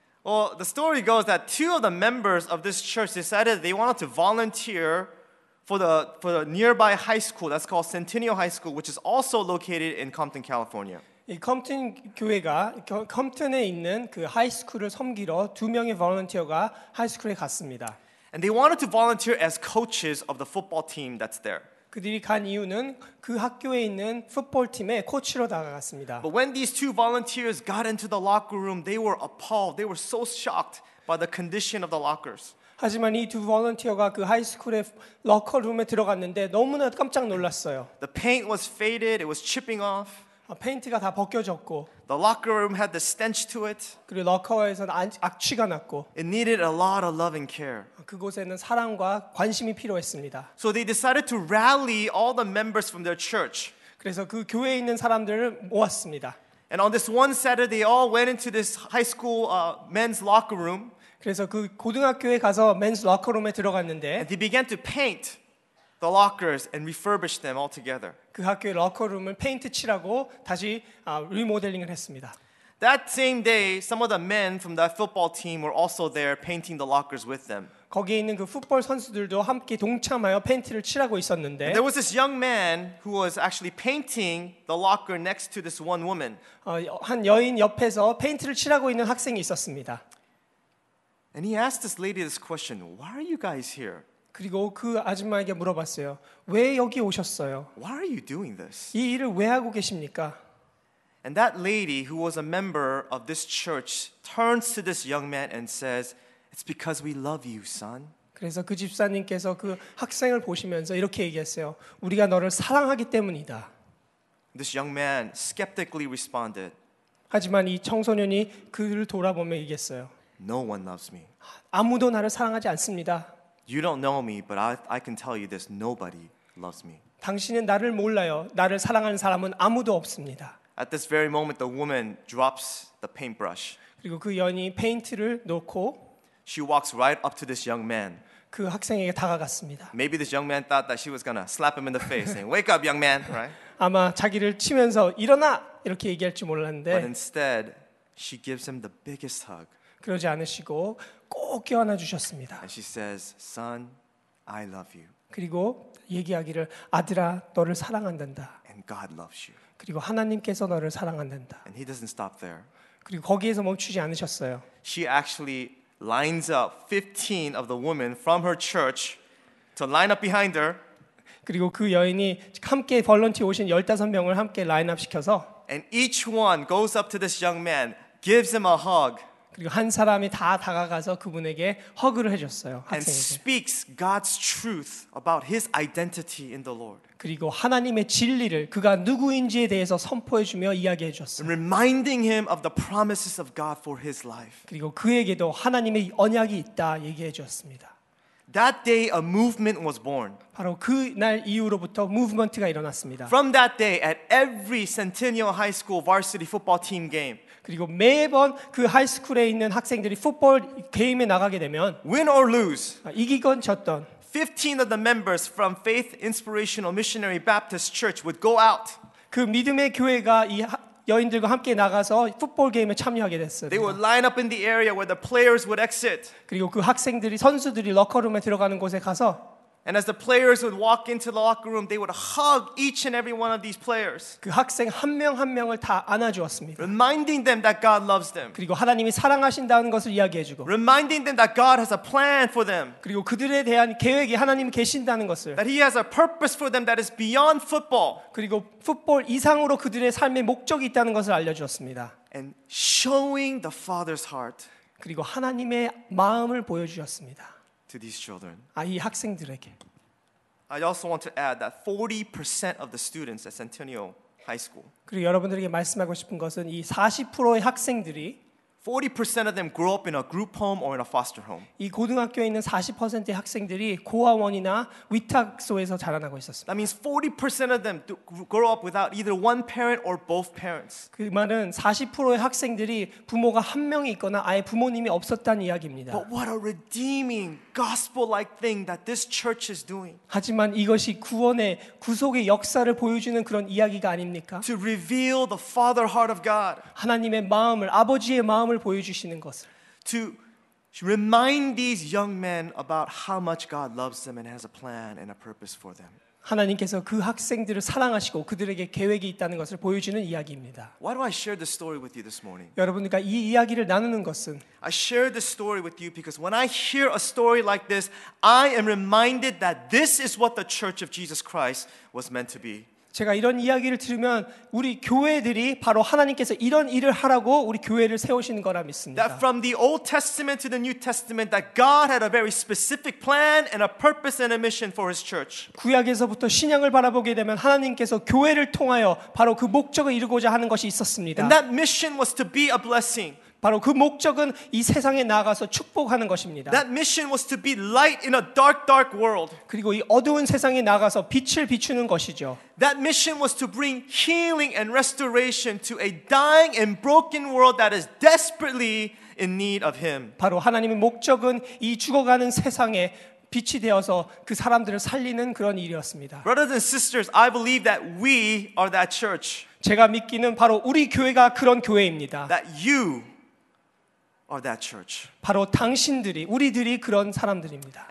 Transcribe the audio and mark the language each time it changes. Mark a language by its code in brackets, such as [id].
[en] Well, the story goes that two of the members of this church decided they wanted to volunteer for the nearby high school that's called Centennial High School, which is also located in Compton, California. [ko] 이 컴튼 교회가 컴튼에 있는 그 하이스쿨을 섬기러 두 명의 volunteer가 하이스쿨에 갔습니다. [en] And they wanted to volunteer as coaches of the football team that's there. [ko] 그들이 간 이유는 그 학교에 있는 풋볼 팀의 코치로 다가갔습니다. [en] But when these two volunteers got into the locker room, they were appalled. They were so shocked by the condition of the lockers. [ko] 하지만 이 두 volunteer가 그 하이스쿨의 럭커룸에 들어갔는데 너무나 깜짝 놀랐어요. [en] The paint was faded. It was chipping off. [ko] 페인트가 다 벗겨졌고. [en] The locker room had the stench to it. [ko] 그리고 럭커에서는 악취가 났고. [en] It needed a lot of love and care. [ko] 그곳에는 사랑과 관심이 필요했습니다. [en] So they decided to rally all the members from their church. [ko] 그래서 그 교회에 있는 사람들을 모았습니다. [en] And on this one Saturday, they all went into this high school men's locker room. [ko] 그래서 그 고등학교에 가서 [en] men's locker room [ko] 에 들어갔는데. [en] And they began to paint the lockers and refurbish them altogether. [ko] 그 학교의 럭커룸을 페인트 칠하고 다시 리모델링을 했습니다. [en] That same day, some of the men from that football team were also there painting the lockers with them. [ko] 거기에 있는 그 풋볼 선수들도 함께 동참하여 페인트를 칠하고 있었는데 [en] And there was this young man who was actually painting the locker next to this one woman. [ko] 한 여인 옆에서 페인트를 칠하고 있는 학생이 있었습니다. [en] And he asked this lady this question, "Why are you guys here?" [ko] 그리고 그 아줌마에게 물어봤어요. 왜 여기 오셨어요? [en] Why are you doing this? [ko] 이 일을 왜 하고 계십니까? [en] And that lady who was a member of this church turns to this young man and says, "It's because we love you, son." [ko] 그래서 그 집사님께서 그 학생을 보시면서 이렇게 얘기했어요. 우리가 너를 사랑하기 때문이다. [en] This young man skeptically responded. [ko] 하지만 이 청소년이 그를 돌아보며 얘기했어요. [en] "No one loves me." [ko] 아무도 나를 사랑하지 않습니다. [en] You don't know me, but I can tell you this: nobody loves me. [ko] 당신은 나를 몰라요. 나를 사랑하는 사람은 아무도 없습니다. [en] At this very moment, the woman drops the paintbrush. [ko] 그리고 그 여인이 페인트를 놓고. [en] She walks right up to this young man. [ko] 그 학생에게 다가갔습니다. [en] Maybe this young man thought that she was gonna slap him in the face, saying, "Wake up, young man!" Right? [ko] 아마 자기를 치면서 일어나 이렇게 얘기할지 몰랐는데. [en] But instead, she gives him the biggest hug. [ko] 그러지 않으시고 꼭 껴안아 주셨습니다. [en] And she says, "Son, I love you." [ko] 그리고 얘기하기를 아들아 너를 사랑한단다. [en] And God loves you. [ko] 그리고 하나님께서 너를 사랑한단다. [en] And he doesn't stop there. [ko] 그리고 거기에서 멈추지 않으셨어요. [en] She actually lines up 15 of the women from her church to line up behind her. [ko] 그리고 그 여인이 함께 volunteer 오신 15명을 함께 라인업 시켜서 [en] And each one goes up to this young man, gives him a hug. [ko] 그리고 한 사람이 다 다가가서 그분에게 허그를 해줬어요. 학생에게. [en] And speaks God's truth about his identity in the Lord. [ko] 그리고 하나님의 진리를 그가 누구인지에 대해서 선포해주며 이야기해줬어요. [en] And reminding him of the promises of God for his life. [ko] 그리고 그에게도 하나님의 언약이 있다 얘기해줬습니다. [en] That day, a movement was born. [ko] 바로 그날 이후로부터 무브먼트가 일어났습니다. [en] From that day, at every Centennial High School varsity football team game. [ko] 그리고 매번 그 하이스쿨에 있는 학생들이 풋볼 게임에 나가게 되면 [en] win or lose. [ko] 이기건 졌던 [en] 15 of the members from Faith Inspirational Missionary Baptist Church would go out. [ko] 그 믿음의 교회가 이 여인들과 함께 나가서 풋볼 게임에 참여하게 됐습니다. [en] They would line up in the area where the players would exit. [ko] 그리고 그 학생들이 선수들이 럭커룸에 들어가는 곳에 가서 [en] And as the players would walk into the locker room, they would hug each and every one of these players. [ko] 그 학생 한 명 한 명을 다 안아주었습니다. [en] Reminding them that God loves them. [ko] 그리고 하나님이 사랑하신다는 것을 이야기해주고. [en] Reminding them that God has a plan for them. [ko] 그리고 그들에 대한 계획이 하나님이 계신다는 것을. [en] That He has a purpose for them that is beyond football. [ko] 그리고 풋볼 이상으로 그들의 삶의 목적이 있다는 것을 알려주었습니다. [en] And showing the Father's heart. [ko] 그리고 하나님의 마음을 보여주셨습니다. [en] To these children. [ko] 아, 이 학생들에게. [en] I also want to add that 40% of the students at Centennial High School. [ko] 그리고 여러분들에게 말씀하고 싶은 것은 이 40%의 학생들이 [en] 40% of them grew up in a group home or in a foster home. [ko] 이 고등학교에 있는 40%의 학생들이 고아원이나 위탁소에서 자라나고 있었습니다. [en] That means 40% of them grew up without either one parent or both parents. [ko] 그 말은 40%의 학생들이 부모가 한 명이 있거나 아예 부모님이 없었다는 이야기입니다. [en] But what a redeeming gospel-like thing that this church is doing. [ko] 하지만 이것이 구원의 구속의 역사를 보여주는 그런 이야기가 아닙니까? [en] To reveal the Father heart of God. [ko] 하나님의 마음을 아버지의 마음 [en] To remind these young men about how much God loves them and has a plan and a purpose for them. [ko] 하나님께서 그 학생들을 사랑하시고 그들에게 계획이 있다는 것을 보여주는 이야기입니다. [en] Why do I share this story with you this morning? [ko] 여러분들과 이 이야기를 나누는 것은 [en] I share this story with you because when I hear a story like this, I am reminded that this is what the Church of Jesus Christ was meant to be. [ko] 제가 이런 이야기를 들으면 우리 교회들이 바로 하나님께서 이런 일을 하라고 우리 교회를 세우신 거라 믿습니다. [en] That from the Old Testament to the New Testament that God had a very specific plan and a purpose and a mission for his church. [ko] 구약에서부터 신약을 바라보게 되면 하나님께서 교회를 통하여 바로 그 목적을 이루고자 하는 것이 있었습니다. [en] And that mission was to be a blessing. [ko] 바로 그 목적은 이 세상에 나가서 축복하는 것입니다. [en] That mission was to be light in a dark, dark world. [ko] 그리고 이 어두운 세상에 나가서 빛을 비추는 것이죠. [en] That mission was to bring healing and restoration to a dying and broken world that is desperately in need of Him. [ko] 바로 하나님의 목적은 이 죽어가는 세상에 빛이 되어서 그 사람들을 살리는 그런 일이었습니다. [en] Brothers and sisters, I believe that we are that church. [ko] 제가 믿기는 바로 우리 교회가 그런 교회입니다. [en] That you Or that church. [ko] 바로 당신들이 우리들이 그런 사람들입니다.